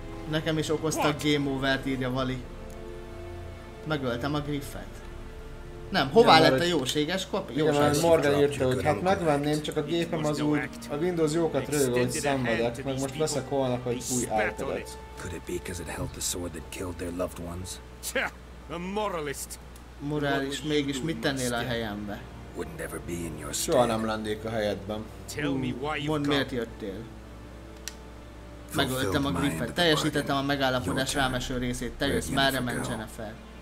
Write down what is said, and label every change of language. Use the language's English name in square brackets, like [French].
[Hungarian] Nekem is okoztak game over-t, írja Vali. Megöltem a griffet. Nem, hová lett a jóséges kopi? Igen, mert Morgan írta, hogy hát megvenném, csak a gépem az úgy, a Windows jókat rövő, hogy szenvedek, meg most veszek holnap egy új iPad-et. [English] Could it be because it held the sword that killed their loved ones? A moralist! [Hungarian] Morális, mégis mit tennél a helyembe? [English] Wouldn't ever be in your stead. [Hungarian] Soha nem lennék a helyedben. Mondd, miért jöttél? Megöltem a griffet, teljesítettem a megállapodás rámeső részét, te jössz, merre ment Jennifer?